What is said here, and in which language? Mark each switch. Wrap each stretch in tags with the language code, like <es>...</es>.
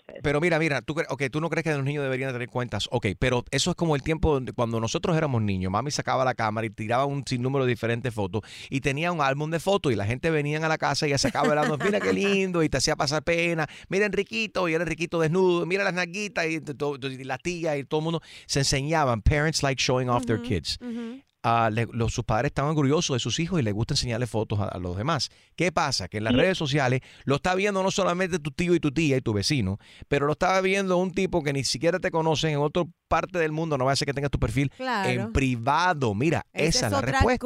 <es>Claro, pero mira, tú no crees que los niños deberían tener cuentas. Ok, pero eso es como el tiempo donde, cuando nosotros éramos niños, mami sacaba la cámara y tiraba un sinnúmero de diferentes fotos y tenía un álbum de fotos y la gente venía a la casa y ya sacaba el álbum, mira qué lindo, y te hacía pasar pena, mira Enriquito, y era Enriquito desnudo, mira las narguitas y la tía y todo el mundo. Se enseñaban,</es> <en>parents like showing off their kids. Uh-huh.</en> <es>Sus padres están orgullosos de sus hijos y les gusta enseñarle fotos a los demás. ¿Qué pasa? Que en las redes sociales lo está viendo no solamente tu tío y tu tía y tu vecino, pero lo estaba viendo un tipo que ni siquiera te conoce en otra parte del mundo. No va a ser que tengas tu perfil en privado. Mira, esa es la respuesta.</es>